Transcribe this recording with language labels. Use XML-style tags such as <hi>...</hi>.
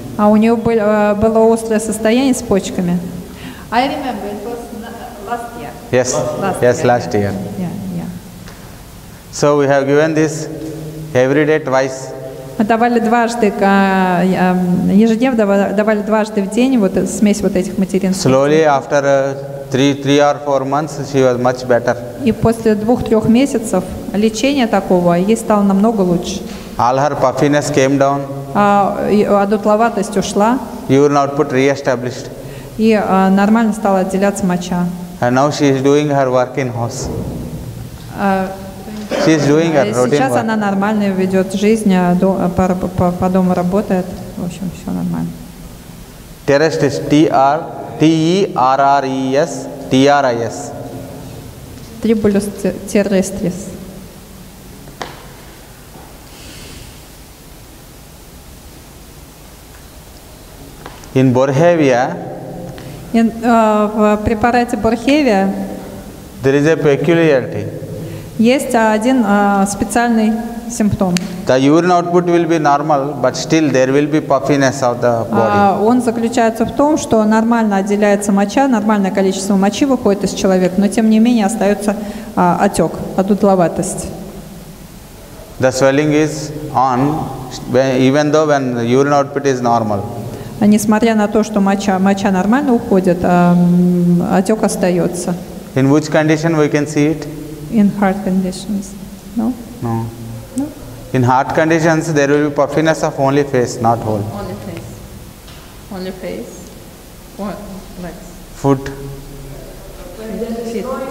<ru>А у нее было острое состояние с почками.</ru> <en>I remember it was last year. Yes, last year. Yeah. So we have given this every day twice.</en> <ru>Мы давали дважды, ежедневно давали дважды в день вот смесь вот этих материнских.</ru> <en>Slowly after three or four months she was much better.</en> <ru>И после 2-3 месяцев лечения такого ей стало намного лучше.</ru> <en>All her puffiness came down.</en> <ru>Одутловатость ушла.</ru> <en>Urine output re-established.</en> <ru>И нормально стала отделяться моча.</ru> <en>And now she is doing her work in house. She's doing her routine.</en> <ru>Сейчас она нормально ведет жизнь, по дому работает. В общем, все нормально.</ru> <en>Terrestris, T-E-R-R-E-S, T-R-I-S. tribulus terrestris. In Borhevia.</en> <ru>In в препарате Borhevia.</ru> <en>There is a peculiarity.</en> <ru>Есть один специальный симптом.</ru> <en>The urine output will be normal, but still there will be puffiness of the body.</en> <ru>Он заключается в том, что нормально отделяется моча, нормальное количество мочи выходит из человека, но тем не менее остается отек, одутловатость.</ru> <en>The swelling is on, even though when the urine output is normal.</en> <ru>Несмотря на то, что моча нормально уходит, отек остается.</ru> <en>In which condition we can see it? In heart conditions. No? No. In heart conditions, there will be puffiness of only face, not whole. Only face. Only face. Legs. Foot. Feet.</en>